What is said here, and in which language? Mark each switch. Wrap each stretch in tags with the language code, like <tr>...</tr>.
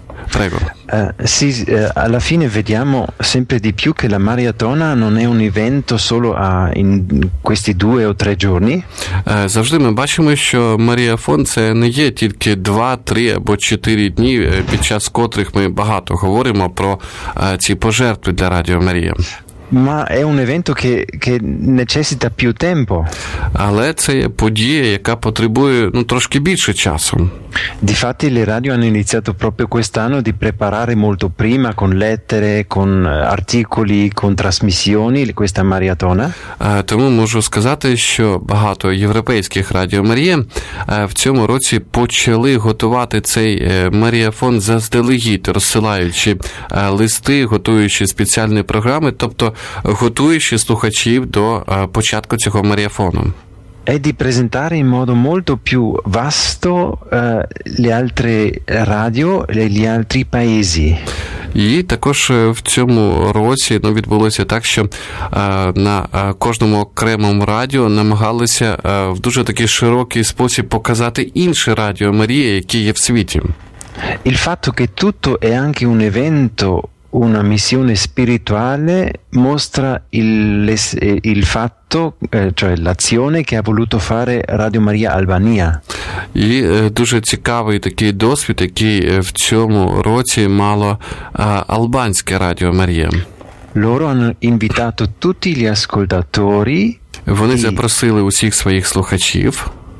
<it>Prego. Sì, alla fine vediamo sempre di più che la maratona non è un evento solo in questi due o tre giorni.</it> <uk>Завжди ми бачимо, що Маріафон це не є тільки 2-3 або 4 дні, під час котрих ми багато говоримо про ці пожертви для Радіо Марія.</uk> <it>Ma è un evento che necessita più tempo.</it> <uk>Але це є подія, яка потребує трошки більше часу.</uk> <it>Difatti le radio hanno iniziato proprio quest'anno di preparare molto prima con lettere, con articoli, con trasmissioni questa maratona.</it> <uk>Тому можу сказати, що багато європейських Радіо Марія в цьому році почали готувати цей Маріафон заздалегідь, розсилаючи листи, готуючи спеціальні програми, тобто готуючи слухачів до початку цього маріафону.</uk> <it>È di presentare in modo molto più vasto le altre radio e gli altri paesi.</it> <uk>І також в цьому році відбулося так, що на кожному окремому радіо намагалися в дуже такий широкий спосіб показати інше радіо Марії, яке є в світі.</uk> <it>Il fatto che tutto è anche un evento, una missione spirituale, mostra il fatto, cioè l'azione che ha voluto fare Radio Maria Albania.</it> <uk>І дуже цікавий такий досвід, який в цьому році мало албанське Радіо Марія.</uk> <it>Loro hanno invitato tutti gli ascoltatori.</it> <uk>Вони запросили усіх своїх слухачів</uk>